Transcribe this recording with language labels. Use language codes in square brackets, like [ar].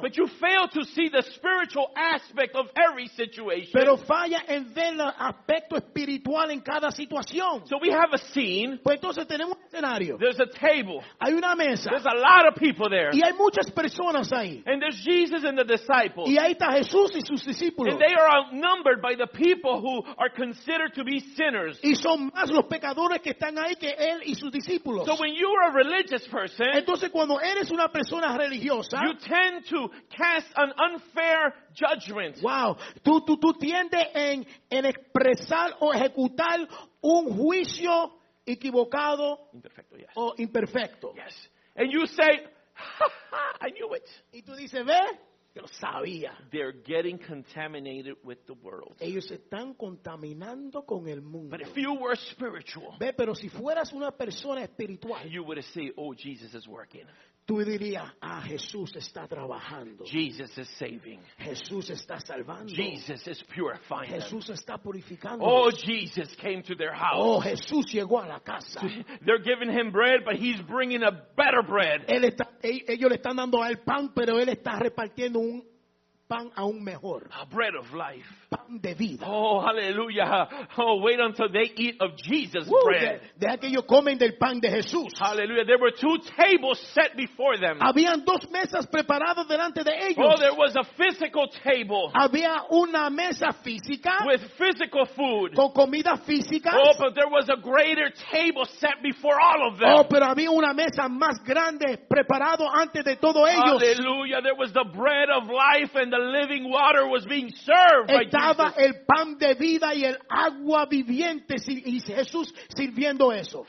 [en] But you fail to see the spiritual aspect of every situation. [es] Pero falla en ver el aspecto espiritual en cada situación. [en] So we have a scene. [es] Pues entonces tenemos un escenario. [en] There's a table. [es] Hay una mesa. [en] There's a lot of people there. [es] Y hay muchas personas ahí. [en] And there's Jesus and the disciples. [es] Y ahí está Jesús y sus discípulos. [en] And they are outnumbered by the people who are considered to be sinners. [es] Y son más los pecadores que están ahí que él y sus discípulos. [en] So when you are a religious person, [es] entonces cuando eres una persona religiosa, [en] you tend to cast an unfair judgment. [es] Wow, tú tiendes en expresar o ejecutar un juicio equivocado imperfecto, yes. O imperfecto. [en] Yes. And you say, ha, ha, I knew it. [es] Y tú dices, ve, yo lo sabía. [en] They're getting contaminated with the world. [es] Ellos se están contaminando con el mundo. [en] But if you were spiritual, [es] ve, pero si fueras una persona espiritual, [en] you would say, oh, Jesus is working. [es] Tú dirías, ah, Jesús está trabajando. [en] Jesus is saving. [es] Jesús está salvando. [en] Jesus is purifying. [es] Jesús está purificando. [en] Oh, Jesus came to their house. [es] Oh, Jesús llegó a la casa. [en] They're giving him bread, but he's bringing a better bread. [es] Ellos le están dando al pan, pero él está repartiendo un pan aún mejor. [en] A bread of life. [es] Pan de vida. [en] Oh, hallelujah. Oh, wait until they eat of Jesus' bread. [es] Deja que ellos comen del pan de Jesús. [en] Hallelujah. There were two tables set before them. [es] Habían dos mesas preparadas delante de ellos. [en] Oh, there was a physical table. [es] Había una mesa física. [en] With physical food. [es] Con comida física. [en] Oh, but there was a greater table set before all of them. [es] Oh, pero había una mesa más grande preparado antes de todos ellos. [en] Hallelujah. There was the bread of life and the living water was being served. [es] Estaba el pan de vida y el agua viviente y Jesús sirviendo eso.